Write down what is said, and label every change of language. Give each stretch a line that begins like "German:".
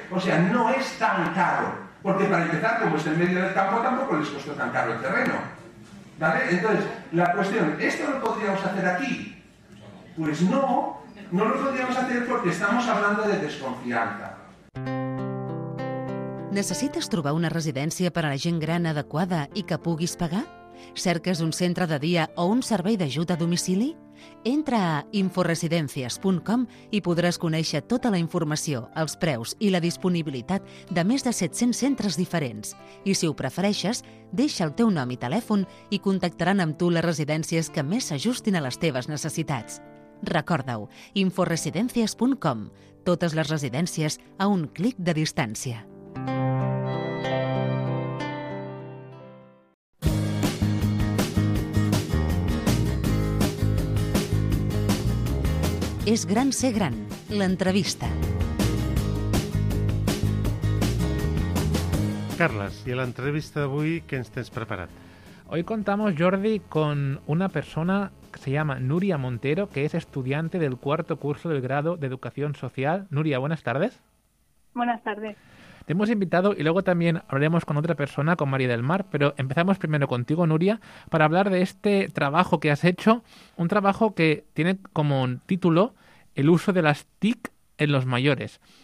Spanish: O sea, no es tan caro. Porque para empezar, como está en medio del campo, tampoco les costó tan caro el terreno. ¿Vale? Entonces, la cuestión, ¿esto lo podríamos hacer aquí? Pues no, no lo podríamos hacer porque estamos hablando de desconfianza.
Catalan: Necessites trobar una residència per a la gent gran adequada i que puguis pagar? Cerques un centre de dia o un servei d'ajut a domicili? Entra a inforesidencias.com i podràs conèixer tota la informació, els preus i la disponibilitat de més de 700 centres diferents. I si ho prefereixes, deixa el teu nom i telèfon i contactaran amb tu les residències que més s'ajustin a les teves necessitats. Recorda-ho, inforesidencias.com. Totes les residències a un clic de distància. És gran ser gran, l'entrevista. Carles, i a l'entrevista d'avui, què ens tens preparat?
Spanish: Hoy contamos, Jordi, con una persona que se llama Nuria Montero, que es estudiante del cuarto curso del grado de Educación Social. Nuria, buenas tardes. Buenas tardes. Te hemos invitado y luego también hablaremos con otra persona, con María del Mar, pero empezamos primero contigo, Nuria, para hablar de este trabajo que has hecho, un trabajo que tiene como título el uso de las TIC en los mayores.